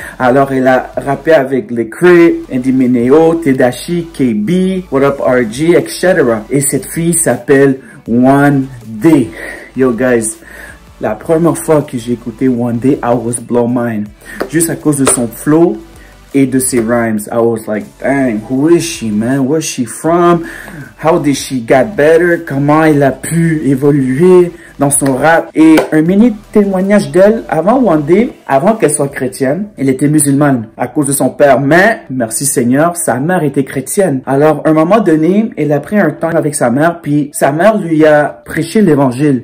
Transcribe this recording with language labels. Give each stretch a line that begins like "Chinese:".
French: Alors, elle a rappé avec Le Crit, Andy Mineo, Tedashi, KB, What Up RG, etc. Et cette fille s'appelle 1D.
English: Yo, guys.
French: La première fois que j'ai écouté 1D,
English: I was blown mind.
French: Juste à cause de son flow et de ses rhymes.
English: I was like, dang, who is she, man? Where's she from? How did she get better?
French: Comment elle a pu évoluer dans son rap? Et un mini témoignage d'elle, avant 1D, avant qu'elle soit chrétienne, elle était musulmane à cause de son père. Mais, merci Seigneur, sa mère était chrétienne. Alors, un moment donné, elle a pris un temps avec sa mère, puis sa mère lui a prêché l'évangile.